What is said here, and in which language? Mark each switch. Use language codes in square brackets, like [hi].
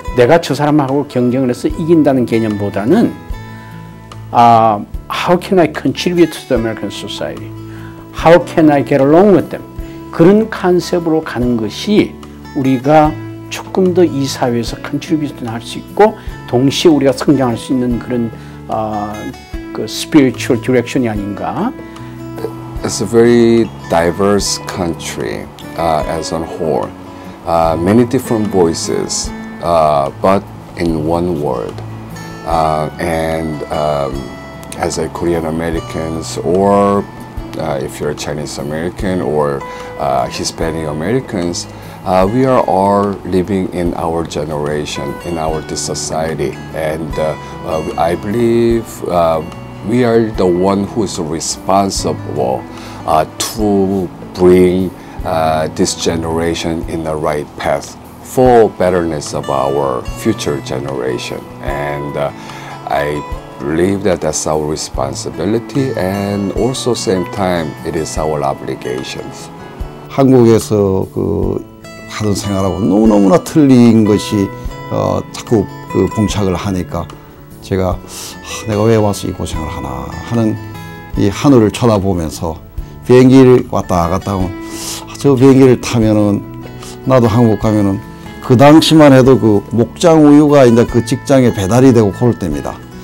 [ko] 내가 저 사람하고 경쟁을 해서 이긴다는 개념보다는 [en] How can I contribute to the American society? How can I get along with them? [ko] 그런 컨셉으로 가는 것이 우리가 조금 더 이 사회에서 컨트리뷰션 할 수 있고 동시에 우리가 성장할 수 있는 그런 그 스피리추얼 디렉션이 아닌가. [en] It's a very diverse country as a whole. Many different voices, but in one world. As a Korean Americans or if you're Chinese American or Hispanic Americans, we are all living in our generation, in our this society. And I believe we are the one who is responsible to bring this generation in the right path for betterness of our future generation. And I believe that that's our responsibility and also same time it is our obligations. [ko] 한국에서 그 하던 생활하고 너무너무나 틀린 것이 자꾸 그 봉착을 하니까 제가 내가 왜 와서 이 고생을 하나 하는 이 하늘을 쳐다보면서 비행기를 왔다 갔다 하면 저 비행기를 타면은 나도 한국 가면은 그 당시만 해도 그 목장 우유가 이제 그 직장에 배달이 되고 그럴 때입니다.